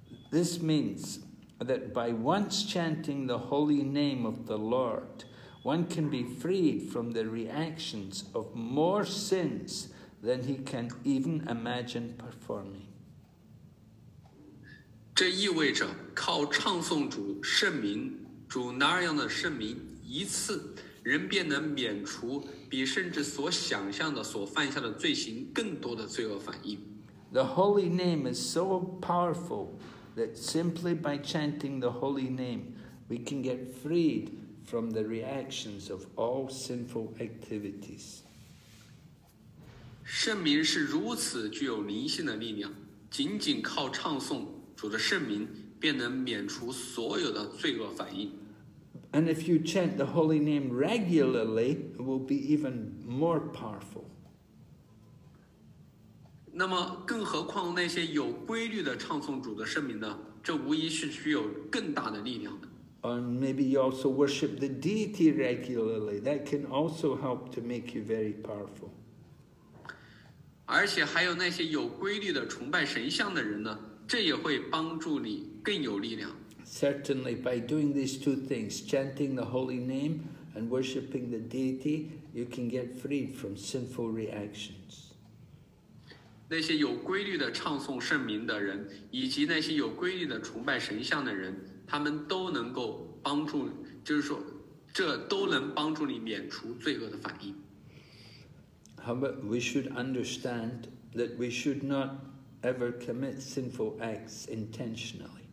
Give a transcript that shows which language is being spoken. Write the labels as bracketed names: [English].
[English] This means that by once chanting the holy name of the Lord, one can be freed from the reactions of more sins than he can even imagine performing. [Chinese] 这意味着靠唱诵主圣名，主那样的圣名一次。人便能免除比甚至所想象的所犯下的罪行更多的罪恶反应。 [English] The holy name is so powerful that simply by chanting the holy name, we can get freed from the reactions of all sinful activities. [Chinese] 圣名是如此具有灵性的力量，仅仅靠唱诵主的圣名，便能免除所有的罪恶反应。 [English] And if you chant the holy name regularly, it will be even more powerful. [Chinese] 那么，更何况那些有规律的唱诵主的圣名呢？这无疑是具有更大的力量的。 [English] Or maybe you also worship the deity regularly. That can also help to make you very powerful. [Chinese] 而且还有那些有规律的崇拜神像的人呢，这也会帮助你更有力量。 [English] Certainly, by doing these two things, chanting the holy name and worshiping the deity, you can get freed from sinful reactions. [Chinese] 那些有规律的唱诵圣名的人，以及那些有规律的崇拜神像的人，他们都能够帮助，就是说，这都能帮助你免除罪恶的反应。 [English] However, we should understand that we should not ever commit sinful acts intentionally.